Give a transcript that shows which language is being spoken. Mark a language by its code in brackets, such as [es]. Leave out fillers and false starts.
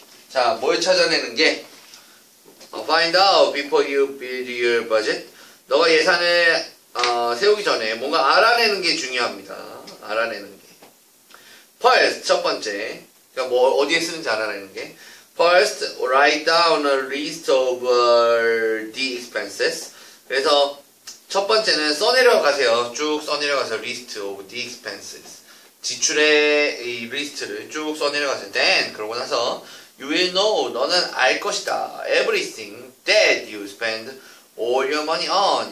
[en] 자, 뭘 찾아내는 게? Find out before you build your budget. [ko] 너가 예산을, 세우기 전에 뭔가 알아내는 게 중요합니다. 알아내는 게. First, 첫 번째. 그러니까 뭐, 어디에 쓰는지 알아내는 게. [en] First, write down a list of the expenses. [ko] 그래서 첫 번째는 써내려가세요. 쭉 써내려가세요. List of the expenses. 지출의 이 리스트를 쭉 써내려가세요. Then, 그러고 나서 You will know, 너는 알 것이다. [en] Everything that you spend all your money on.